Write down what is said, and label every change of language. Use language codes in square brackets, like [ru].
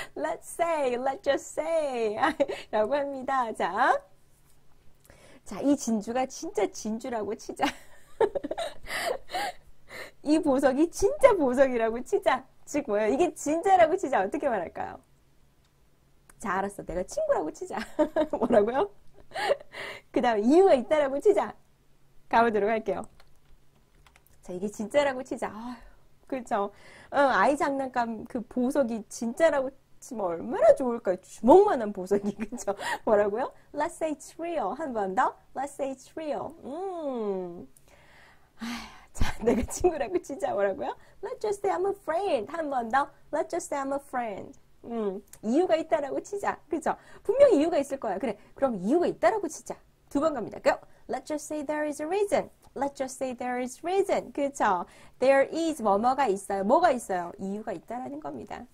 [en] Let's say, let's just say [ko] 라고 합니다. 자, 자, 이 진주가 진짜 진주라고 치자. 이 보석이 진짜 보석이라고 치자. 즉, 뭐야? 이게 진짜라고 치자. 어떻게 말할까요? 자, 알았어. 내가 친구라고 치자. 뭐라고요? 그 다음에 이유가 있다라고 치자. 가보도록 할게요. 자, 이게 진짜라고 치자. 아유, 그렇죠. 아이 장난감 그 보석이 진짜라고 치면 얼마나 좋을까요? 주먹만한 보석이, 그렇죠? 뭐라고요? [en] Let's say it's real. [ko] 한번 더. [en] Let's say it's real. [ko] 아, 자, 내가 친구라고 치자. 뭐라고요? [en] Let's just say I'm a friend. [ko] 한번 더. [en] Let's just say I'm a friend. [ko] 이유가 있다라고 치자. 그렇죠? 분명히 이유가 있을 거야. 그래, 그럼 이유가 있다라고 치자. 두번 갑니다. Go. [en] Let's just say there is a reason. Let's just say there is reason. [ko] 그렇죠? There is 뭐뭐가 있어요. 뭐가 있어요? 이유가 있다라는 겁니다.